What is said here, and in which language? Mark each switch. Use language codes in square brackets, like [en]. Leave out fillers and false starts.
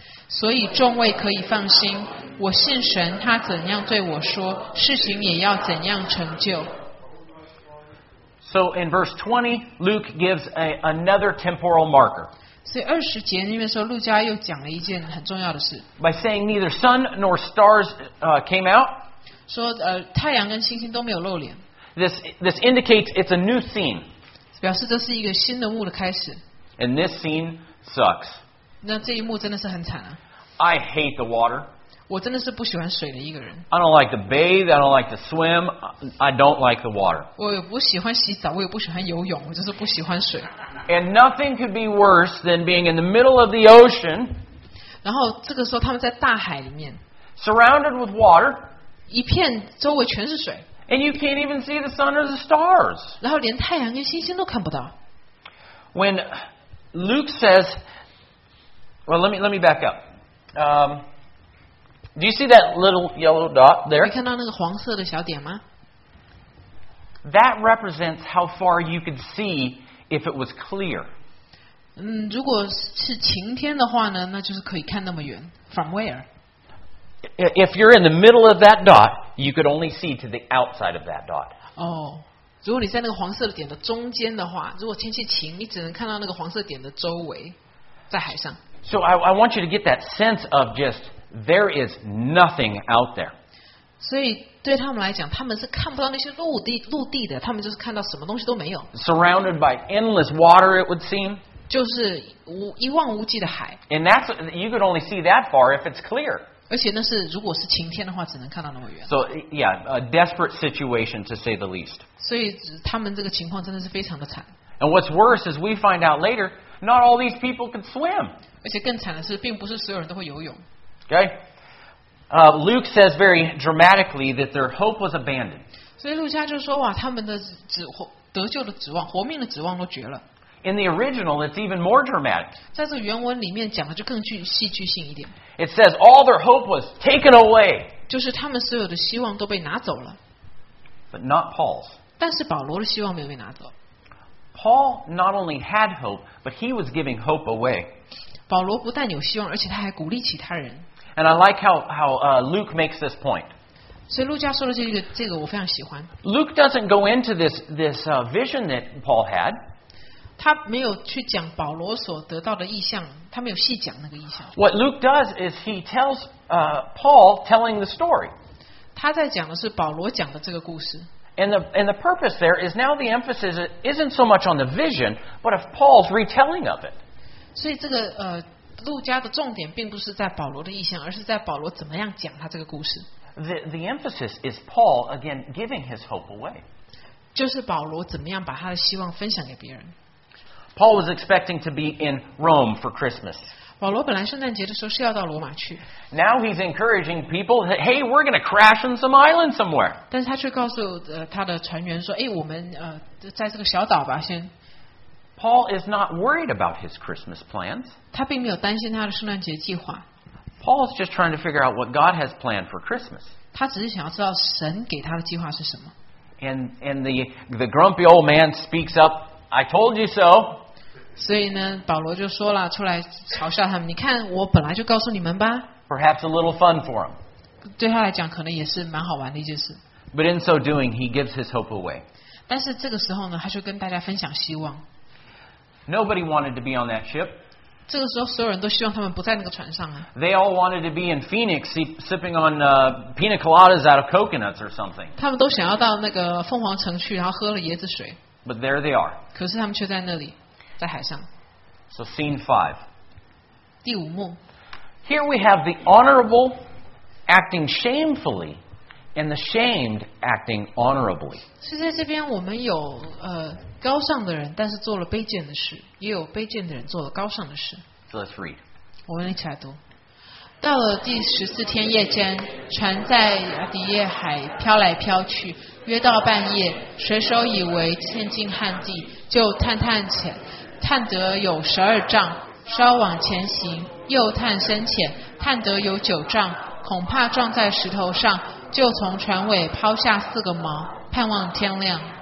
[zh] 所以众位可以放心，我信神，他怎样对我说，事情也要怎样成就。 [en] So in verse 20, Luke gives another temporal marker. [zh] 所以二十节那边说，路加又讲了一件很重要的事。 [en] By saying neither sun nor stars came out. [zh] 说太阳跟星星都没有露脸。 [en] This indicates it's a new scene. [zh] 表示这是一个新的幕的开始。 [en] And this scene sucks. [zh] 那这一幕真的是很惨啊。 [en] I hate the water. [zh] 我真的是不喜欢水的一个人。 [en] I don't like to bathe, I don't like to swim, I don't like the water. [zh] 我也不喜欢洗澡，我也不喜欢游泳，我就是不喜欢水。 [en] And nothing could be worse than being in the middle of the ocean. [zh] 然后这个时候他们在大海里面。 [en] Surrounded with water. [zh] 一片周围全是水。 [en] And you can't even see the sun or the stars. [zh] 然后连太阳跟星星都看不到。 [en] When Luke says, well, let me back up. Do you see that little yellow dot there? [zh] 你看到那个黄色的小点吗？ [en] That represents how far you could see if it was clear. [zh] 如果是晴天的话呢，那就是可以看那么远。 [en] From where? If you're in the middle of that dot, you could only see to the outside of that dot. [zh] Oh, 如果你在那个黄色点的中间的话，如果天气晴，你只能看到那个黄色点的周围，在海上。 [en] So I want you to get that sense of just there is nothing out there. [zh] 所以对他们来讲，他们是看不到那些陆地的，他们就是看到什么东西都没有。 [en] Surrounded by endless water, it would seem. [zh] 就是一望无际的海。 [en] And that's you could only see that far if it's clear. [zh] 而且那是如果是晴天的话，只能看到那么远。 [en] So yeah, a desperate situation to say the least. [zh] 所以他们这个情况真的是非常的惨。 [en] And what's worse is we find out later, not all these people can swim. [zh] 而且更惨的是，并不是所有人都会游泳。 [en] Okay. Luke says very dramatically that their hope was abandoned. [zh] 所以路加就说哇，他们的得救的指望、活命的指望都绝了。 [en] In the original, it's even more dramatic. [zh] 在这原文里面讲的就更具戏剧性一点。 [en] It says all their hope was taken away. [zh] 就是他们所有的希望都被拿走了。 [en] But not Paul's. [zh] 但是保罗的希望没有被拿走。 [en] Paul not only had hope, but he was giving hope away. [zh] 保罗不但有希望，而且他还鼓励其他人。 [en] And I like how Luke makes this point. [zh] 所以路加说的这个我非常喜欢。 [en] Luke doesn't go into this vision that Paul had. [zh] 他没有去讲保罗所得到的意象，他没有细讲那个意象。 [en] What Luke does is he tells Paul telling the story. [zh] 他在讲的是保罗讲的这个故事。 [en] And the purpose there is now the emphasis isn't so much on the vision, but of Paul's retelling of it. [zh] 所以这个路加的重点并不是在保罗的意象，而是在保罗怎么样讲他这个故事。 [en] The emphasis is Paul again giving his hope away. [zh] 就是保罗怎么样把他的希望分享给别人。 [en] Paul was expecting to be in Rome for Christmas. [zh] 保罗本来圣诞节的时候是要到罗马去。 [en] Now he's encouraging people that, hey, we're going to crash on some island somewhere. [zh] 但是他却告诉他的船员说，哎，我们在这个小岛吧先。 [en] Paul is not worried about his Christmas plans. [zh] 他并没有担心他的圣诞节计划。 [en] Paul is just trying to figure out what God has planned for Christmas. [zh] 他只是想要知道神给他的计划是什么。 [en] And the grumpy old man speaks up. I told you so. [zh] 所以呢，保罗就说了，出来嘲笑他们。你看，我本来就告诉你们吧。 [en] Perhaps a little fun for him. [zh] 对他来讲，可能也是蛮好玩的一件事。 [en] But in so doing, he gives his hope away. [zh] 但是这个时候呢，他就跟大家分享希望。 [en] Nobody wanted to be on that ship. [zh] 这个时候，所有人都希望他们不在那个船上啊。 [en] They all wanted to be in Phoenix, sipping on pina coladas out of coconuts or something. [zh] 他们都想要到那个凤凰城去，然后喝了椰子水。 [en] But there they are. [zh] 可是他们却在那里，在海上。 [en] So scene five. [zh] 第五幕。 [en] Here we have the honorable acting shamefully, and the shamed acting honorably. [zh] 所以在这边我们有高尚的人，但是做了卑贱的事；也有卑贱的人做了高尚的事。 [en] So let's read. [zh] 我们一起来读。到了第十四天夜间，船在亚底叶海飘来飘去。约到半夜，水手以为天近旱地，就探得有十二丈，稍往前行，又探深浅，探得有九丈，恐怕撞在石头上，就从船尾抛下四个锚，盼望天亮。